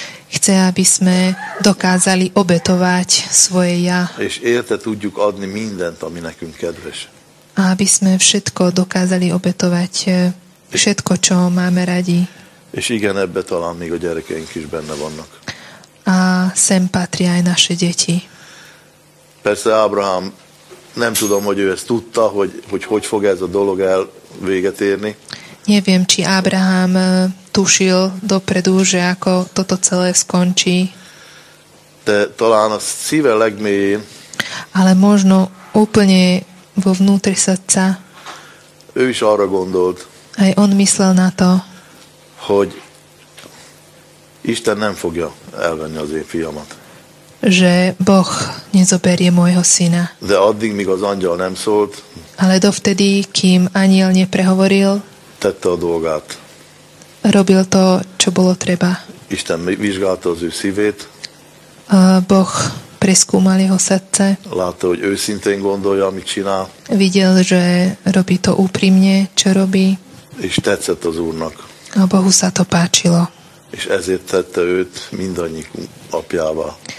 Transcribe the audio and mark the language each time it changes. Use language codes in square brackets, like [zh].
[sk] Chce, aby sme dokázali obetovať svoje ja. [hu] És érte tudjuk adni mindent, ami nekünk kedves. [sk] A aby sme všetko dokázali obetovať, všetko, čo máme radi. [hu] És igen, ebbe talán még a gyerekeink is benne vannak. [sk] A sem patrí aj naše deti. [hu] Persze Abraham, nem tudom, hogy ő ezt tudta, hogy fog ez a dolog el véget érni. [sk] Neviem, či Abraham tušil dopredu, že ako toto celé skončí. [hu] De talán a szíve legmélyén, [sk] ale možno úplne vo vnútri srdca, [hu] ő is arra gondolt, [sk] aj on myslel na to, [hu] hogy Isten nem fogja elvenni az én fiamat. [sk] Že Boh nezoberie môjho syna. [hu] De addig, míg az angyal nem szólt, [sk] ale dovtedy, kým anjel neprehovoril, [hu] tette a dolgát. [sk] Robil to, čo bolo treba. [hu] Isten vyžgálta az ő szívét. [sk] Boh preskúmal jeho srdce. [hu] Látta, hogy őszintén gondolja, amit csinál. [sk] Videl, že robí to úprimne, čo robí. [hu] És tetszett az Úrnak. [sk] A Bohu sa to páčilo. [hu] És ezért tette őt mindannyik apjává.